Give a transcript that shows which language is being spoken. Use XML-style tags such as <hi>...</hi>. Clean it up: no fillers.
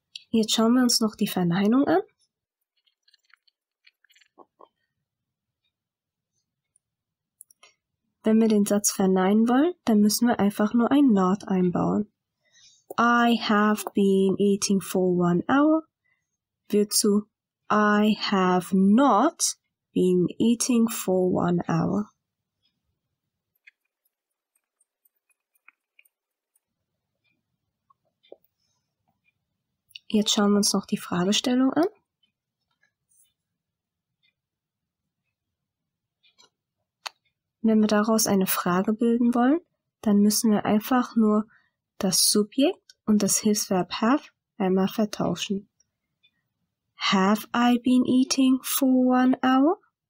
<de>Jetzt schauen wir uns noch die Verneinung an. Wenn wir den Satz verneinen wollen, dann müssen wir einfach nur ein not einbauen.</de> <en>I have been eating for 1 hour</en> <de>wird zu</de> <en>I have not being eating for 1 hour.</en> <de>Jetzt schauen wir uns noch die Fragestellung an. Wenn wir daraus eine Frage bilden wollen, dann müssen wir einfach nur das Subjekt und das Hilfsverb have einmal vertauschen.</de> <en>Have I been eating for 1 hour?</en>